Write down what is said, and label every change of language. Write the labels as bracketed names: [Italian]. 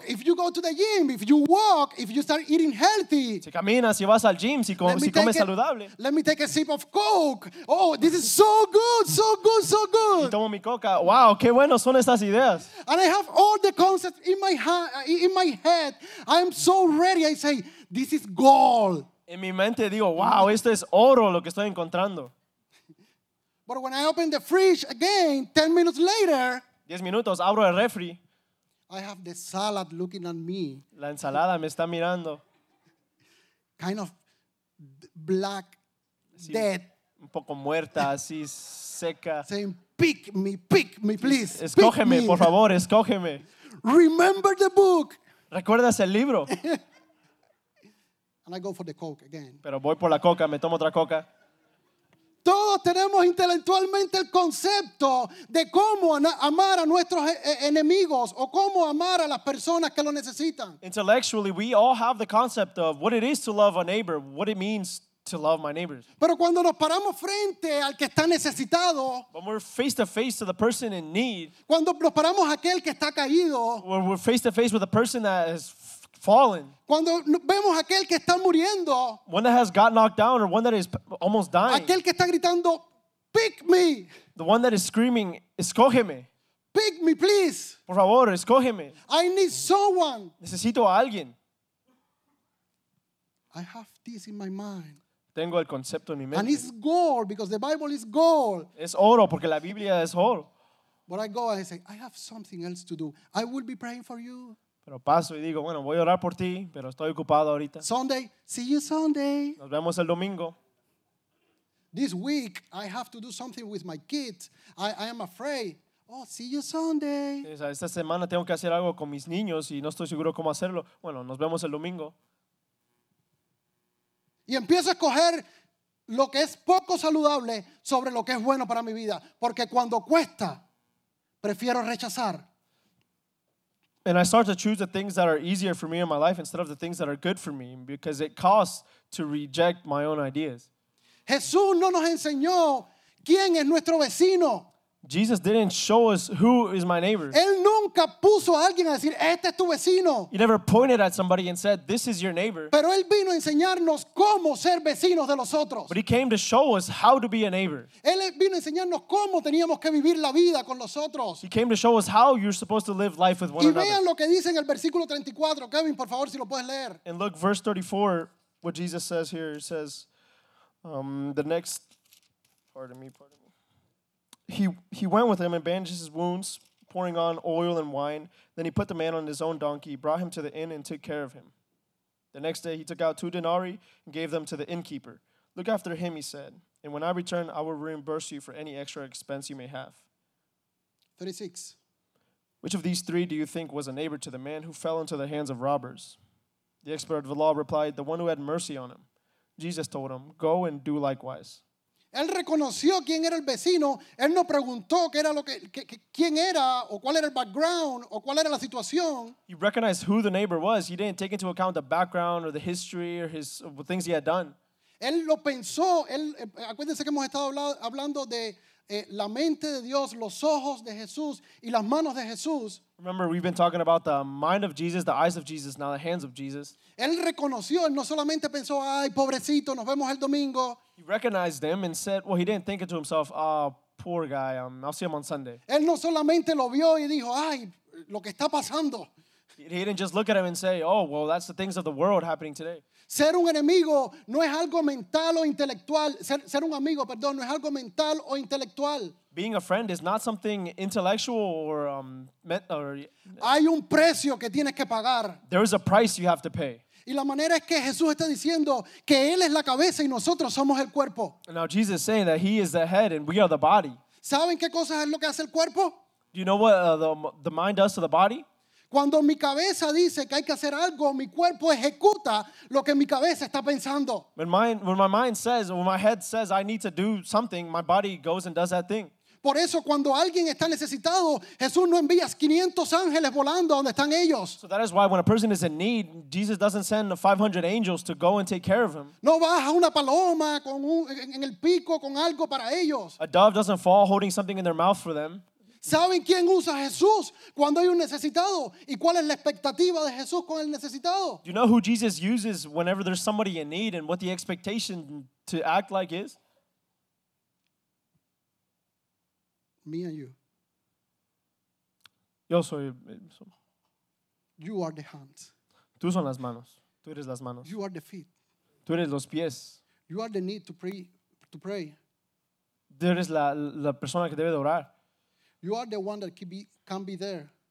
[English] Look, if you go to the gym, if you walk, if you start eating healthy. [Spanish] Si caminas, si vas al gym, si comes saludable. [English] Let me take a sip of Coke. Oh, this is so good, so good, so good. [Spanish] Y tomo mi coca. Wow, qué bueno son estas ideas. [English] And I have all the concepts in my head. I'm so ready. I say, this is gold. [Spanish] En mi mente digo, wow, esto es oro lo que estoy encontrando. [English] But when I open the fridge again, 10 minutes later, [Spanish] 10 minutos, abro el refri. [English] I have the salad looking at me. [Spanish] La ensalada me está mirando. [English] Kind of black, [Spanish] así, [English] dead. [Spanish] Un poco muerta, así seca. [English] Saying, pick me, please. [Spanish] Escógeme, [English] pick [Spanish] por [English] me. [Spanish] Favor, escógeme. [English] Remember the book. [Spanish] ¿Recuerdas el libro? [English] And I go for the Coke again. [Spanish] Pero voy por la coca, me tomo otra coca. Todos tenemos intelectualmente el concepto de cómo amar a nuestros enemigos o cómo amar a las personas que lo necesitan. [English] Intellectually, we all have the concept of what it is to love a neighbor, what it means to love my neighbors. [Spanish] Pero cuando nos paramos frente al que está necesitado, [English] when we're face to face to the person in need, [Spanish] cuando nos paramos aquel que está caído, [English] when we're face to face with the person that is fallen. [Spanish] Cuando vemos aquel que está muriendo, [English] one that has got knocked down or one that is almost dying. [Spanish] Aquel que está gritando, [English] pick me. The one that is screaming, [Spanish] escógeme. [English] Pick me, please. [Spanish] Por favor, escógeme. [English] I need someone. [Spanish] Necesito a alguien. [English] I have this in my mind. [Spanish] Tengo el concepto en mi mente. [English] And it's gold because the Bible is gold. [Spanish] Es oro porque la Biblia es oro. [English] But I go and I say, I have something else to do. I will be praying for you. [Spanish] Pero paso y digo, bueno, voy a orar por ti, pero estoy ocupado ahorita. [English] Sunday, see you Sunday. [Spanish] Nos vemos el domingo. [English] This week I have to do something with my kids. I am afraid. Oh, see you Sunday. [Spanish] Esta semana tengo que hacer algo con mis niños y no estoy seguro cómo hacerlo. Bueno, nos vemos el domingo. Y empiezo a escoger lo que es poco saludable sobre lo que es bueno para mi vida, porque cuando cuesta, prefiero rechazar. [English] And I start to choose the things that are easier for me in my life instead of the things that are good for me, because it costs to reject my own ideas. [Spanish] Jesús no nos enseñó quién es nuestro vecino. [English] Jesus didn't show us who is my neighbor. [Spanish] Él nunca puso a alguien a decir, este es tu vecino. [English] He never pointed at somebody and said, this is your neighbor. [Spanish] Pero él vino a enseñarnos cómo ser vecinos de los otros. [English] But he came to show us how to be a neighbor. [Spanish] Él vino a enseñarnos cómo teníamos que vivir la vida con los otros. [English] He came to show us how you're supposed to live life with one another. [Spanish] Y vean lo que dice en el versículo 34. Kevin, por favor, si lo puedes leer. [English] And look, verse 34, what Jesus says here, it says, the next, pardon me. He went with him and bandaged his wounds, pouring on oil and wine. Then he put the man on his own donkey, brought him to the inn, and took care of him. The next day he took out 2 denarii and gave them to the innkeeper. Look after him, he said, and when I return, I will reimburse you for any extra expense you may have. 36. Which of these three do you think was a neighbor to the man who fell into the hands of robbers? The expert of the law replied, the one who had mercy on him. Jesus told him, go and do likewise. [Spanish] Él reconoció quién era el vecino. Él no preguntó qué era lo que, quién era o cuál era el background o cuál era la situación. [English] He recognized who the neighbor was. He didn't take into account the background or the history or his things he had done. [Spanish] Él lo pensó. Él, acuérdense que hemos estado hablando de la mente de Dios, los ojos de Jesús y las manos de Jesús. [English] Remember, we've been talking about the mind of Jesus, the eyes of Jesus, now the hands of Jesus. [Spanish] Él reconoció. Él no solamente pensó, ay, pobrecito, nos vemos el domingo. [English] He recognized him and said, well, he didn't think it to himself, oh, poor guy, I'll see him on Sunday. [Spanish] Él no solamente lo vio y dijo, ay, lo que está pasando. [English] He didn't just look at him and say, oh, well, that's the things of the world happening today. [Spanish] Ser un enemigo no es algo mental o intelectual. Ser un amigo, perdón, no es algo mental o intelectual. [English] Being a friend is not something intellectual or mental. [Spanish] Hay un precio que tienes que pagar. [English] There is a price you have to pay. [Spanish] Y la manera es que Jesús está diciendo que Él es la cabeza y nosotros somos el cuerpo. [English] Now Jesus is saying that He is the head and we are the body. [Spanish] ¿Saben qué cosas es lo que hace el cuerpo? [English] Do you know what the mind does to the body? [Spanish] Cuando mi cabeza dice que hay que hacer algo, mi cuerpo ejecuta lo que mi cabeza está pensando. [English] When my head says I need to do something, my body goes and does that thing. [Spanish] Por eso cuando alguien está necesitado, Jesús no envía 500 ángeles volando donde están ellos. [English] So that is why when a person is in need, Jesus doesn't send 500 angels to go and take care of him. [Spanish] No baja una paloma con en el pico con algo para ellos. [English] A dove doesn't fall holding something in their mouth for them. [Spanish] ¿Saben quién usa a Jesús cuando hay un necesitado? ¿Y cuál es la expectativa de Jesús con el necesitado? [English] Do you know who Jesus uses whenever there's somebody in need and what the expectation to act like is? Me and you. [Spanish] Yo soy. [English] You are the hands. [Spanish] Tú son las manos. Tú eres las manos. [English] You are the feet. [Spanish] Tú eres los pies. [English] You are the need to pray. [Spanish] Tú eres la persona que debe de orar. [English] You are the one that can be there.